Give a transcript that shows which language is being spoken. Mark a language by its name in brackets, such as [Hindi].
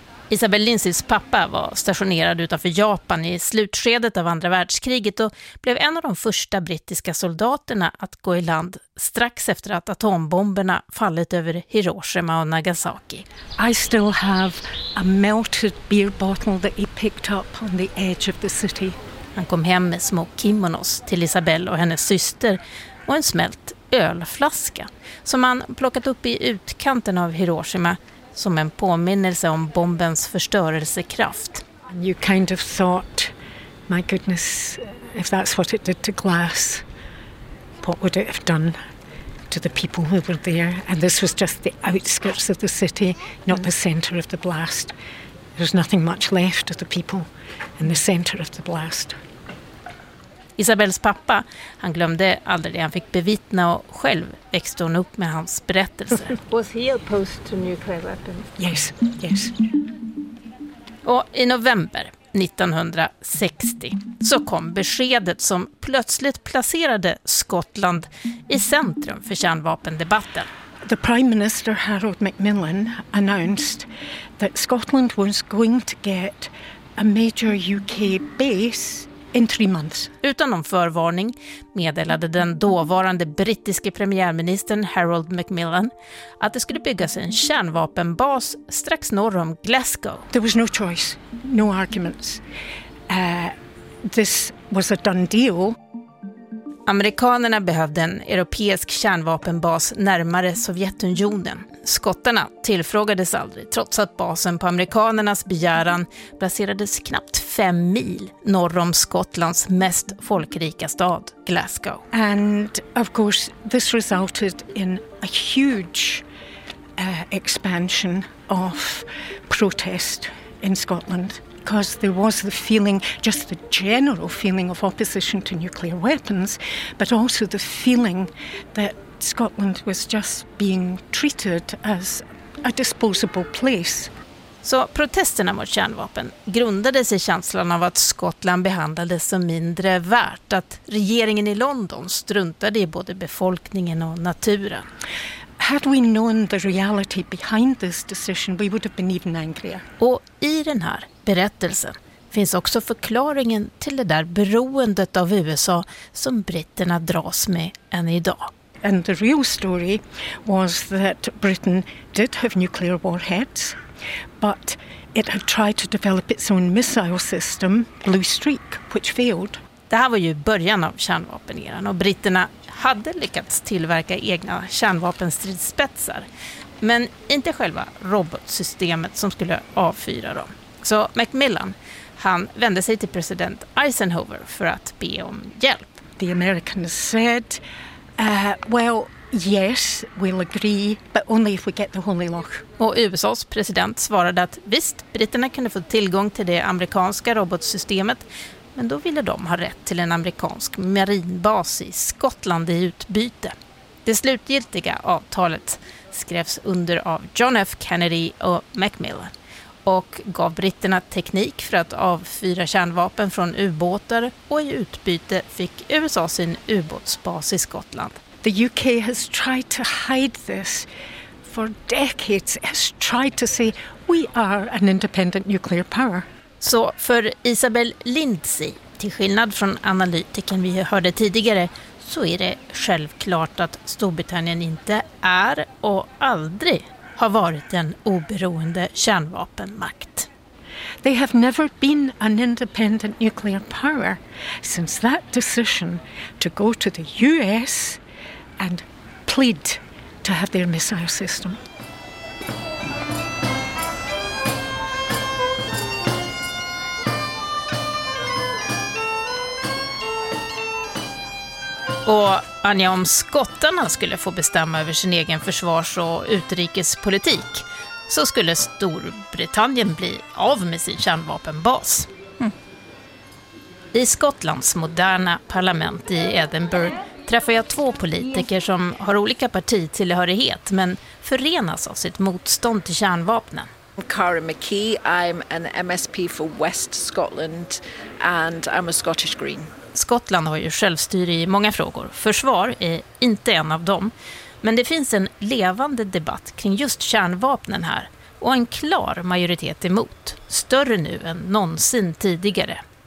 [Swedish] Isabel Lindsays pappa var stationerad utanför Japan i slutskedet av andra världskriget och blev en av de första brittiska soldaterna att gå i land strax efter att atombomberna fallit över Hiroshima och Nagasaki. [English] I still have a melted beer bottle that he picked up on the edge of the city. [Swedish] Han kom hem med små kimonos till Isabel och hennes syster och en smält ölflaska som han plockat upp i utkanten av Hiroshima som en påminnelse om bombens förstörelsekraft. [English] You kind of thought, my goodness, if that's what it did to glass, what would it have done to the people who were there? And this was just the outskirts of the city, not the center of the blast. There was nothing much left of the people in the center of the blast. [Swedish] Isabels pappa, han glömde aldrig det han fick bevittna och själv växte hon upp med hans berättelse. [English] Was he opposed to nuclear weapons? Yes, yes. [Swedish] Och i november 1960 så kom beskedet som plötsligt placerade Skottland i centrum för kärnvapendebatten. [English] The Prime Minister Harold Macmillan announced that Scotland was going to get a major UK base in 3 months. [Swedish] Utan någon förvarning meddelade den dåvarande brittiske premiärministern Harold Macmillan att det skulle byggas en kärnvapenbas strax norr om Glasgow. [English] There was no choice, no arguments. This was a done deal. [Swedish] Amerikanerna behövde en europeisk kärnvapenbas närmare Sovjetunionen. Skottarna tillfrågades aldrig, trots att basen på amerikanernas begäran placerades knappt 5 mil norr om Skottlands mest folkrika stad, Glasgow. [English] And of course, this resulted in a huge expansion of protest in Scotland. Because there was the feeling, just the general feeling of opposition to nuclear weapons, but also the feeling that Scotland was just being treated as a disposable place. [Swedish] Så protesterna mot kärnvapen grundades i känslan av att Skottland behandlades som mindre värt, att regeringen i London struntade i både befolkningen och naturen. [English] Had we known the reality behind this decision, we would have been even angrier. [Swedish] Och i den här berättelsen finns också förklaringen till det där beroendet av USA som britterna dras med än idag. [English] And the real story was that Britain did have nuclear warheads, but it had tried to develop its own missile system, Blue Streak, which failed. [Swedish] Det här var ju början av kärnvapeneran och britterna hade lyckats tillverka egna kärnvapenstridsspetsar, men inte själva robotsystemet som skulle avfyra dem. Så Macmillan, han vände sig till president Eisenhower för att be om hjälp. [English] The Americans said, well, yes, we'll agree, but only if we get the holy lock. [Swedish] Och USA:s president svarade att visst, britterna kunde få tillgång till det amerikanska robotsystemet, men då ville de ha rätt till en amerikansk marinbas i Skottland i utbyte. Det slutgiltiga avtalet skrevs under av John F. Kennedy och Macmillan och gav britterna teknik för att avfyra kärnvapen från ubåtar, och i utbyte fick USA sin ubåtsbas i Skottland. [English] The UK has tried to hide this for decades, has tried to say we are an independent nuclear power. [Swedish] Så för Isabel Lindsay, till skillnad från analytiken vi hörde tidigare, så är det självklart att Storbritannien inte är och aldrig har varit en oberoende kärnvapenmakt. [English] They have never been an independent nuclear power since that decision to go to the US and plead to have their missile system. [Swedish] Och Anja, om skottarna skulle få bestämma över sin egen försvars- och utrikespolitik, så skulle Storbritannien bli av med sin kärnvapenbas. Mm. I Skottlands moderna parlament i Edinburgh träffar jag 2 politiker som har olika partitillhörighet men förenas av sitt motstånd till kärnvapnen. [English] I'm Cara McKee, I'm an MSP for West Scotland and I'm a Scottish Green. [Swedish] Skottland har ju självstyre i många frågor. Försvar är inte en av dem. Men det finns en levande debatt kring just kärnvapnen här. Och en klar majoritet emot. Större nu än någonsin tidigare.